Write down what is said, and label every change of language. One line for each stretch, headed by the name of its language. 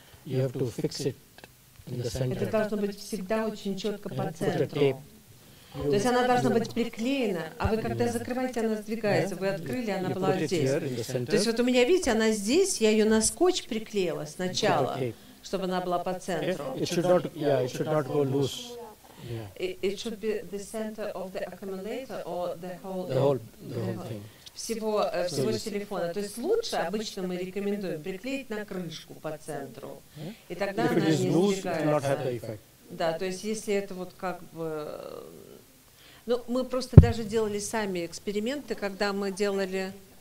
English: You have to fix it in the center.
Russian: Это должно быть всегда очень четко по центру. То есть она должна быть приклеена, а вы когда закрываете, она сдвигается. Вы открыли, она была здесь. То есть вот у меня, видите, она здесь, я ее на скотч приклеила сначала, чтобы она была по центру.
English: It should not go loose. It should be the center of the accumulator or the whole, the whole thing.
Russian: Всего телефона. То есть лучше обычно мы рекомендуем приклеить на крышку по центру. И тогда она не сдвигается. Да, то есть если это вот как бы... Ну, мы просто даже делали сами эксперименты, когда мы делали...